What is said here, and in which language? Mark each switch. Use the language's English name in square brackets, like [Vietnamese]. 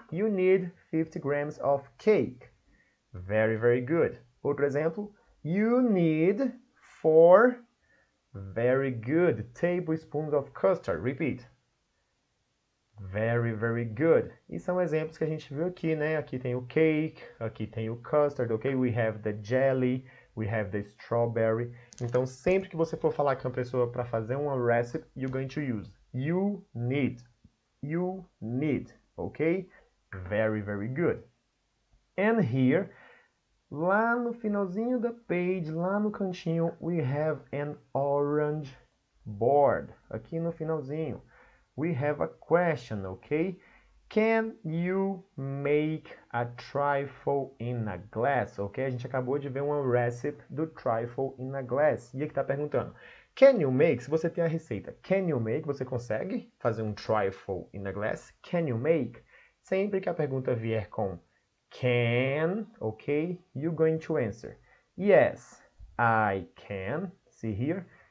[English] You need 50 grams of cake. Very, very good. [Portuguese] Outro exemplo. [English] You need 4... Very good. Tablespoons of custard. Repeat. Very, very good. [Portuguese] E são exemplos que a gente viu aqui, né? Aqui tem o cake, aqui tem o custard, ok? [English] We have the jelly, we have the strawberry. [Portuguese] Então, sempre que você for falar com a pessoa para fazer uma recipe, [English] you're going to use you need. You need, ok? Very, very good. And here, [Portuguese] lá no finalzinho da [English] page, [Portuguese] lá no cantinho, [English] we have an orange board. [Portuguese] Aqui no finalzinho. [English] We have a question, ok? Can you make a trifle in a glass? [Portuguese] Ok? A gente acabou de ver uma recipe do trifle in a glass. E aqui está perguntando: [English] Can you make? [Portuguese] Se você tem a receita, [English] can you make? [Portuguese] Você consegue fazer um trifle in a glass? [English] Can you make? [Portuguese] Sempre que a pergunta vier com can, ok? [English] You're going to answer: Yes, I can. See here?